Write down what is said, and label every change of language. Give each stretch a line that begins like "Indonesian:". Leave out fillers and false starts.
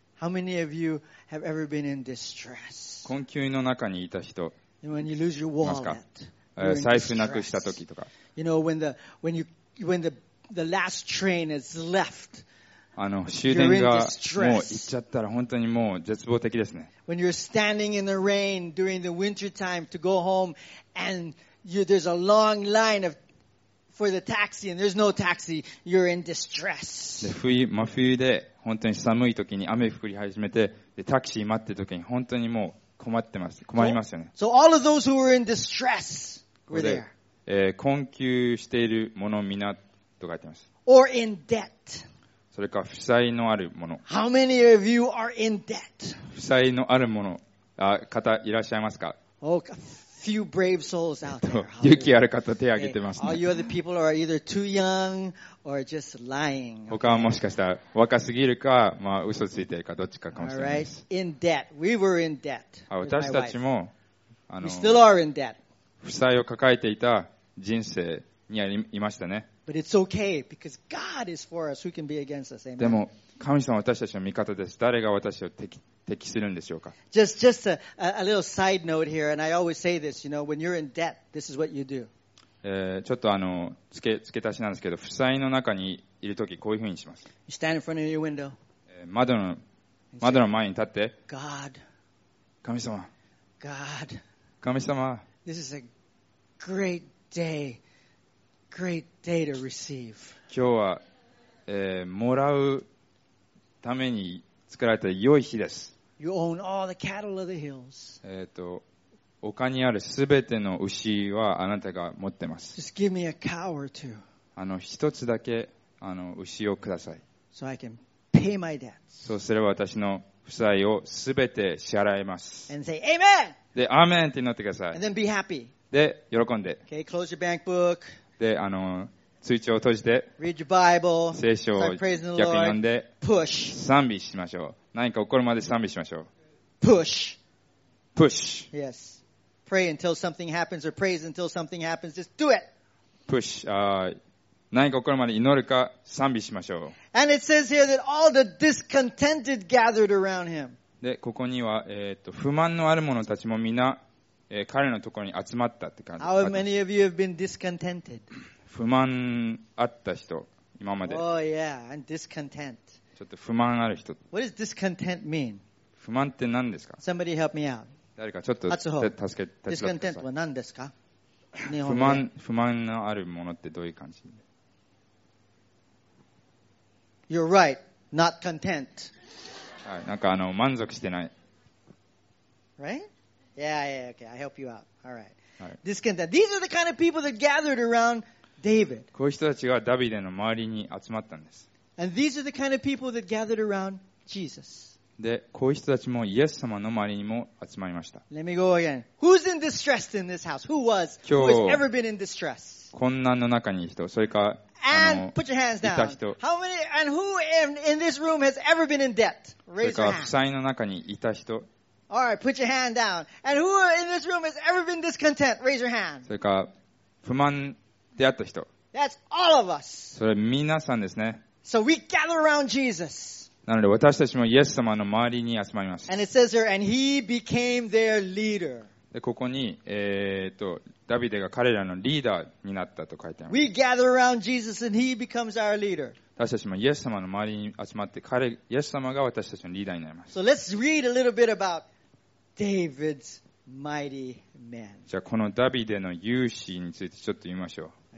English: How many of you have ever been in distress?
Japanese: 困窮の中にいた人。
English: And when you lose your wallet,
Japanese: 財布なくした時とか。
English: You know, when the last train is left.
Japanese: 終電がもう行っちゃったら本当にもう絶望的ですね。
English: When you're standing in the rain during the winter time to go home and there's a long line for the taxi and there's no taxi, you're in distress.
Japanese: 真冬で本当に寒い時に雨降り始めて、でタクシー待ってる時に本当にもう困ってます。困りますよね。
English: So all of those who were in distress were there.
Japanese: 困窮している者皆と書いてます。
English: Or in debt.
Japanese: それか負債のあるもの。
English: How many of you are in debt?
Japanese: 負債のあるもの、方いらっしゃいますか？
English: Oh, a few brave souls out there.
Japanese: 勇気ある方手を挙げてますね。
English: All you other people are either too young or just lying.
Japanese: 他はもしかしたら若すぎるか、まあ嘘ついてるかどっちかかもしれないです。
English: All right, in debt. We were in debt. With my wife.
Japanese: 私たちも、
English: We still are in debt.
Japanese: 負債を抱えていた人生にいましたね。
English: But it's okay because God is for us. Who can be against us? Amen.
Japanese: でも神様は私たちの味方です。誰が私を敵するんでしょうか。
English: Just a little side note here, and I always say this. You know, when you're in debt, this is what you do.
Japanese: ちょっと付け足しなんですけど、負債の中にいるときこういうふうにします。
English: You stand in front of your window.
Japanese: 窓の前に立って。
English: God.
Japanese: 神様。
English: God.
Japanese: 神様。
English: This is a great day. Great day to receive.
Japanese: 今日は、もらうために作られた良い日です。
English: You own all the cattle of the hills.
Japanese: 丘にあるすべての牛はあなたが持ってます。
English: Just give me a cow or two.
Japanese: 一つだけ牛をください。
English: So I can pay my debts.
Japanese: そうすれば私の負債をすべて支払います。
English: And say amen.
Japanese: で、アーメンって祈ってください。
English: And then be happy.
Japanese: で、喜んで。
English: Okay, close your bank book.
Japanese: で、通帳を閉じて、
English: Read your Bible,
Japanese: 聖書を逆に読んで、
English: Push.
Japanese: 賛美しましょう。何か起こるまで賛美しましょう。
English: Push. Push. Yes. Pray until something happens or praise until something happens. Just do it. Push.
Japanese: 何か起こるまで祈るか賛美しましょう。
English: And it says here that all the discontented gathered around him.
Japanese: で、ここには、不満のある者たちもみんな、彼のところに集まったって感じ。
English: How many of you have been discontented?
Japanese: 不満あった人、今まで。
English: Oh yeah, I'm discontent.
Japanese: ちょっと不満ある人。
English: What does discontent mean?
Japanese: 不満って何ですか？
English: Somebody help me out.
Japanese: 誰かちょっと助けて。 Discontent は何ですか？不満のあるものってどういう感じ？
English: You're right, not content.
Japanese: はい、なんか満足してない。
English: Right? Yeah, okay, I help you out. All right. Discontent. These are the kind of people that gathered around David.
Japanese: こういう人たちがダビデの周りに集まったんです。
English: And these are the kind of people that gathered around Jesus.
Japanese: で、こういう人たちもイエス様の周りにも集まりました。
English: Let me go again. Who's in distress in this house? Who was? Who has ever been in distress?
Japanese: 困難の中にいる人、それか、
English: And put your hands down. How many, and who in this room has ever been in debt? Raise your hand.
Japanese: それか、負債の中にいた人、
English: All right, put your hand down. And who in this room has ever been discontent? Raise your hand.
Japanese: それか不満であった人。
English: That's all of us.
Japanese: それ皆さんですね。
English: So we gather around Jesus.
Japanese: なので私たちもイエス様の周りに集まります。
English: And it says here, and he became their leader.
Japanese: でここにダビデが彼らのリーダーになったと書いてあります。
English: We gather around Jesus, and he becomes our leader.
Japanese: 私たちもイエス様の周りに集まって、イエス様が私たちのリーダーになります。
English: So let's read a little bit about David's mighty men.
Japanese: じゃあこのダビデの勇士についてちょっと見ましょう。